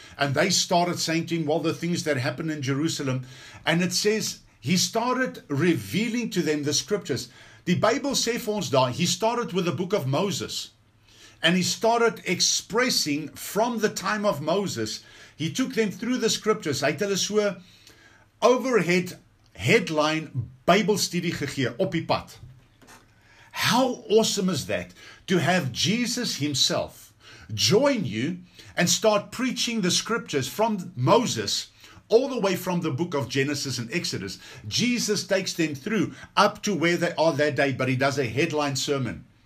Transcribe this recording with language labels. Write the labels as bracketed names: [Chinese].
[English] And they started saying to him, well, the things that happened in Jerusalem. And it says he started revealing to them the scriptures. The Bible says, for us, he started with the book of Moses. And he started expressing from the time of Moses. He took them through the scriptures. [Afrikaans] Hy het hulle so [English] overhead headline Bible study [Afrikaans] gegee op die pad. [English] How awesome is that to have Jesus himself join you and start preaching the scriptures from Moses all the way from the book of Genesis and Exodus. Jesus takes them through up to where they are that day, but he does a headline sermon.